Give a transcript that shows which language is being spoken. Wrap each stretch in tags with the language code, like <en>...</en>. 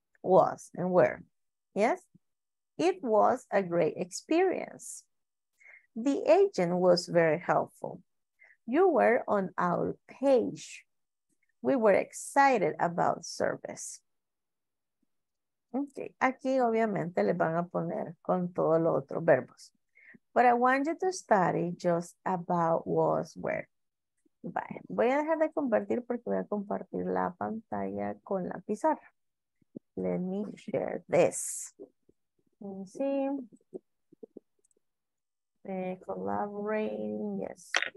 <en>Was and were. Yes? It was a great experience. The agent was very helpful. You were on our page. We were excited about service.</en> <es>Okay, aquí obviamente le van a poner con todos los otros verbos.</es> <en>But I want you to study just about was, where. Bye.</en> <es>Voy a dejar de compartir porque voy a compartir la pantalla con la pizarra.</es> <en>Let me share this. Let's see. Collaborating, yes.</en>